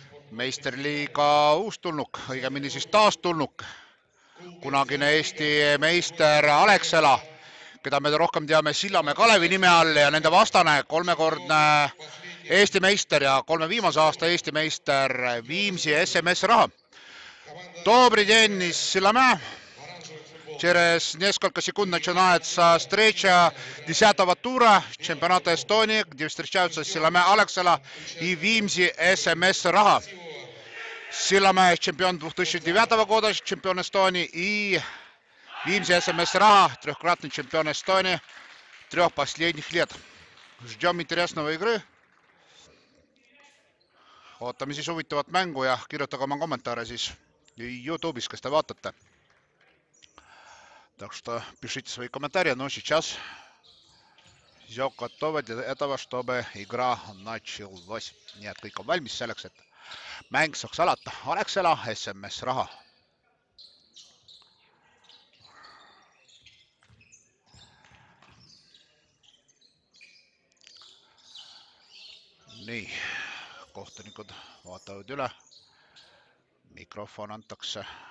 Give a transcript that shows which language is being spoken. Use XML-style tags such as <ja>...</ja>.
<et>Meistriliiga uustulnuk, õigemini siis taastulnuk. Kunagine Eesti meister Alexela, keda me rohkem teame Sillamäe Kalevi nime all ja nende vastane kolmekordne Eesti meister ja kolme viimase aasta Eesti meister Viimsi SMS raha. Dobri tennis Sillamäe.</et> <ru>Через несколько секунд начинается встреча 10-го тура чемпионата Эстонии, где встречаются Sillamäe Alexela и Viimsi SMS Raha. Sillamäe чемпион 2009 года, чемпион Эстонии и Viimsi SMS Raha, трехкратный чемпион Эстонии трех последних лет. Ждем интересного игры.</ru> <et>Ootame siis huvitavat mängu ja kirjutage oma kommentaare siis YouTube'is, kas te vaatate.</et> <ru>Так что пишите свои комментарии, но сейчас все готово для этого, чтобы игра началась.</ru> <et>Nii et kõik on valmis selleks, et mäng saaks alata. Alexela, SMS raha. Nii. Kohtunikud vaatavad üle. Mikrofon antakse.</et>